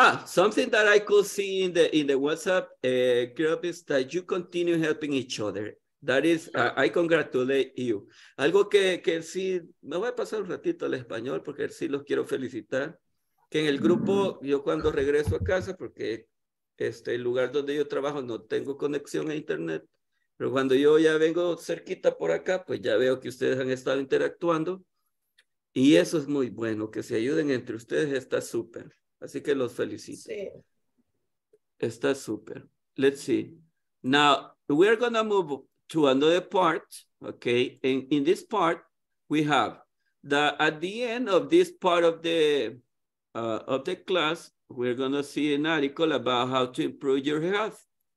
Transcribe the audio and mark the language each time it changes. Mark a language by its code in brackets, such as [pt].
[en] Something that I could see in the WhatsApp group is that you continue helping each other. That is, I congratulate you. [es] Algo que sí, me voy a pasar un ratito al español porque sí los quiero felicitar. Que en el grupo, yo cuando regreso a casa, porque el lugar donde yo trabajo no tengo conexión a internet, pero cuando yo ya vengo cerquita por acá, pues ya veo que ustedes han estado interactuando. Y eso es muy bueno, que se ayuden entre ustedes, está súper. Así que los felicito. Sí. Está súper. [en] Let's see. Now, we're going to move to another part, okay? In this part, we have that at the end of this part of the... of the class, we're going to see an article about how to improve your health.